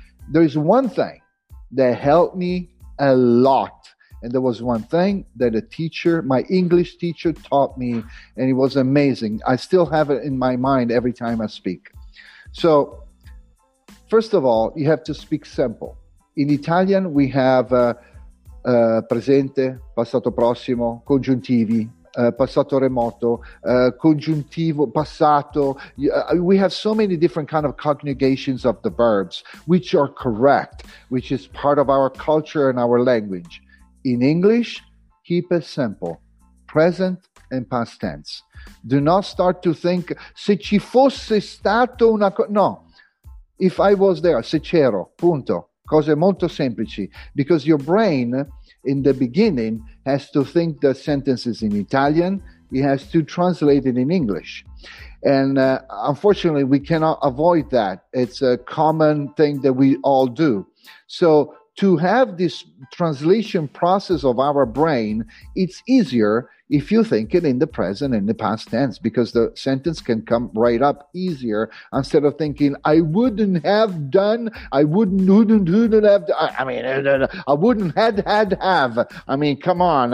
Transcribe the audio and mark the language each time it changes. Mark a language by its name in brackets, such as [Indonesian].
[English] There is one thing that helped me a lot. And there was one thing that a teacher, my English teacher, taught me, and it was amazing. I still have it in my mind every time I speak. So, first of all, you have to speak simple. In Italian, we have [Italian] presente, passato prossimo, congiuntivi, passato remoto, congiuntivo, passato. [English] We have so many different kind of conjugations of the verbs, which are correct, which is part of our culture and our language. In English, keep it simple. Present and past tense. Do not start to think, [Italian] se ci fosse stato una cosa... [English] No. If I was there, [Italian] se c'ero, punto. Cose molto semplici. [English] Because your brain, in the beginning, has to think the sentences in Italian. It has to translate it in English. And unfortunately, we cannot avoid that. It's a common thing that we all do. So to have this translation process of our brain, it's easier if you think it in the present and the past tense, because the sentence can come right up easier instead of thinking, I wouldn't have done, I wouldn't have, I mean, I wouldn't have. I mean, come on.